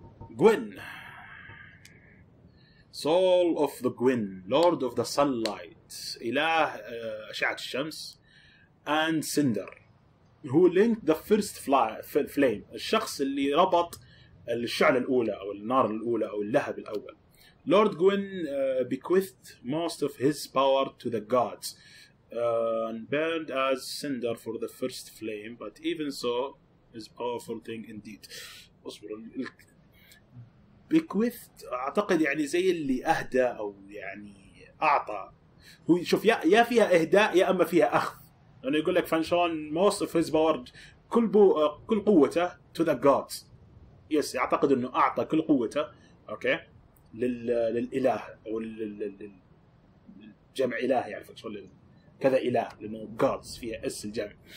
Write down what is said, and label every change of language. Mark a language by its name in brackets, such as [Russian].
[Arabic] جوين، [English] Soul of the Gwyn, Lord of the Sunlight، [Arabic] إله أشعة الشمس، [English] and Cinder، [Arabic] هو [English] linked the first flame، [Arabic] الشخص اللي ربط الشعلة الأولى أو النار الأولى أو اللهب الأول. [English] Lord Gwyn bequeathed most of his power to the gods and burned as cinder for the first flame, but even so is a powerful thing indeed. [Arabic] أصبر. بيكويثت أعتقد يعني زي اللي أهدى أو يعني أعطى، هو شوف يا فيها إهداء يا أما فيها أخذ، لأنه يقول لك فانشون [English] most of his power، [Arabic] كل قوته [English] to the gods. [Arabic] يس أعتقد أنه أعطى كل قوته أوكي للإله أو للجمع إله، يعني فانشون كذا إله لأنه gods فيها إس الجمع.